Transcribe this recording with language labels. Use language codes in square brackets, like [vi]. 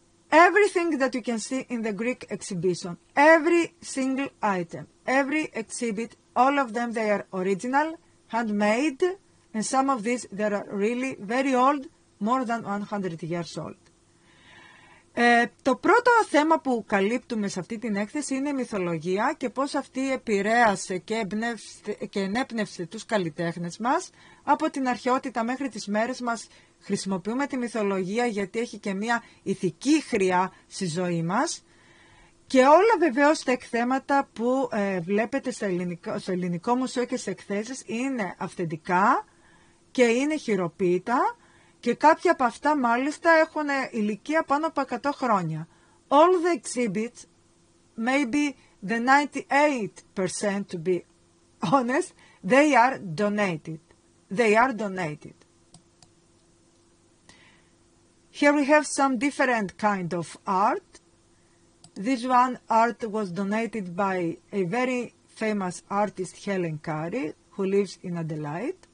[en] Everything that you can see in the Greek exhibition, every single item, every exhibit, all of them, they are original, handmade, and some of these, they are really very old, more than 100 years old. [el] Το πρώτο θέμα που καλύπτουμε σε αυτή την έκθεση είναι η μυθολογία και πώς αυτή επηρέασε και, ενέπνευσε τους καλλιτέχνες μας. Από την αρχαιότητα μέχρι τις μέρες μας χρησιμοποιούμε τη μυθολογία γιατί έχει και μια ηθική χρειά στη ζωή μας. Και όλα βεβαίως τα εκθέματα που βλέπετε στο ελληνικό μουσείο και σε εκθέσεις είναι αυθεντικά και είναι χειροποίητα. Και κάποια από αυτά μάλιστα έχουν ηλικία πάνω από 100 χρόνια. [en] All the exhibits, maybe the 98% to be honest, they are donated. They are donated. Here we have some different kind of art. This one art was donated by a very famous artist, Helen Curry, who lives in Adelaide.